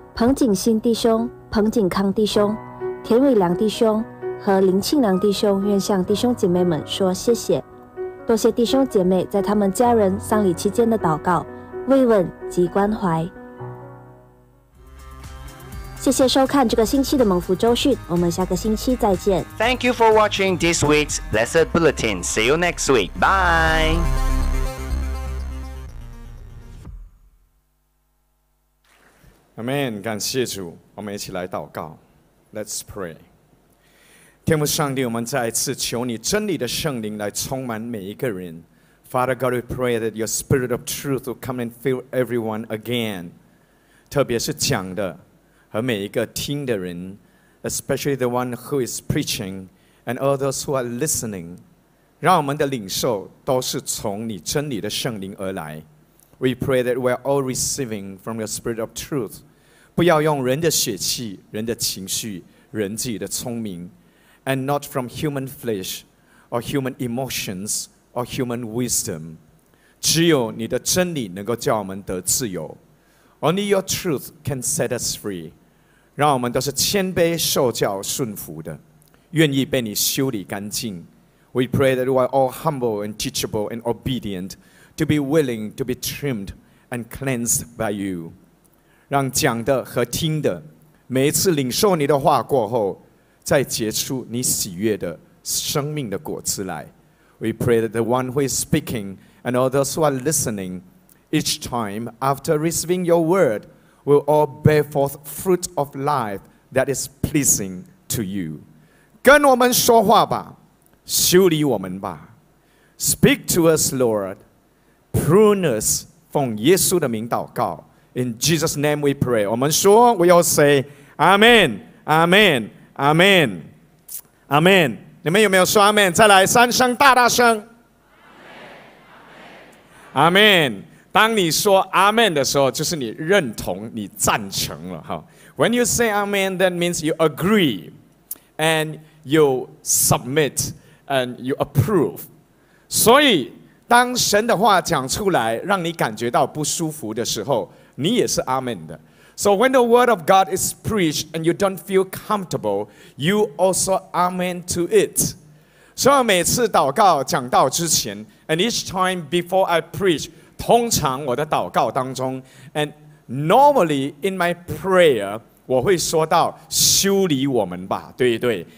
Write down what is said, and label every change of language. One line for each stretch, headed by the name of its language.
Chinese: 彭景兴弟兄、彭景康弟兄、田伟良弟兄和林庆良弟兄愿向弟兄姐妹们说谢谢，多谢弟兄姐妹在他们家人丧礼期间的祷告、慰问及关怀。谢谢收看这个星期的蒙福周讯，我们下个星期再见。
English: Thank you for watching this week's Blessed Bulletin. See you next week. Bye. Amen.
Chinese: 感谢主，我们一起来祷告。
English: Let's pray.
Chinese: 天父上帝，我们再一次求你真理的圣灵来充满每一个人。
English: Father God, we pray that your Spirit of Truth will come and fill everyone again.
Chinese: 特别是讲的。和每一个听的人
English: especially the one who is preaching and others who are listening,
Chinese: 让我们的领受都是从你真理的圣灵而来。
English: We pray that we are all receiving from your Spirit of Truth,
Chinese: 不要用人的血气、人的情绪、人自己的聪明
English: and not from human flesh or human emotions or human wisdom.
Chinese: 只有你的真理能够叫我们得自由。
English: Only your truth can set us free.
Chinese: 让我们都是谦卑受教顺服的，愿意被你修理干净。
English: We pray that we are all humble and teachable and obedient to be willing to be trimmed and cleansed by you.
Chinese: 让讲的和听的每一次领受你的话过后，再结出你喜悦的生命的果子来。
English: We pray that the one who is speaking and others who are listeningEach time after receiving your word will all bear forth fruit of life that is pleasing to you.
Chinese: 跟我们说话吧，修理我们吧。
English: Speak to us, Lord. Prune us.
Chinese: 奉耶稣的名祷告。
English: In Jesus' name we pray.
Chinese: 我们说
English: we all say,
Chinese: Amen, Amen, Amen, Amen. 你们有没有说 Amen? 再来三声大大声。
English: Amen,
Chinese: Amen. 当你说 Amen 的时候，就是你认同、你赞成了。
English: When you say Amen, that means you agree and you submit and you approve.
Chinese: 所以当神的话讲出来让你感觉到不舒服的时候，你也是 Amen 的。
English: So when the word of God is preached and you don't feel comfortable, you also Amen to it.
Chinese: 所以每次祷告讲到之前
English: and each time before I preach,
Chinese: 通常我的祷告当中
English: and normally in my prayer
Chinese: 我会说到修理我们吧，对不对？